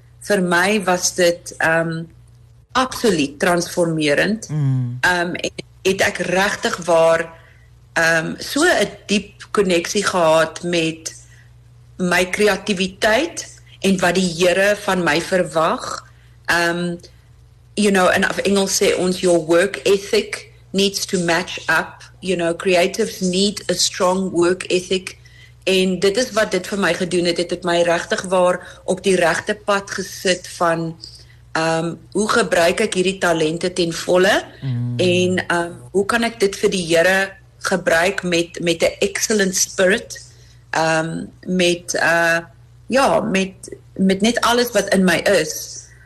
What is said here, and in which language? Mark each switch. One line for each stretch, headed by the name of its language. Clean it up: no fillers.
Afrikaans: Vir my was dit absoluut transformerend. En het ek regtig waar so 'n diep koneksie gehad met my kreatiwiteit en wat die Here van my verwag.
English: You know, and
Afrikaans: of Engels sê ons,
English: your work ethic needs to match up. You know, creatives need a strong work ethic.
Afrikaans: En dit is wat dit vir my gedoen het, dit het my regtig waar op die regte pad gesit van hoe gebruik ek hierdie talente ten volle en hoe kan ek dit vir die Here gebruik met 'n
English: excellent spirit,
Afrikaans: met net alles wat in my is.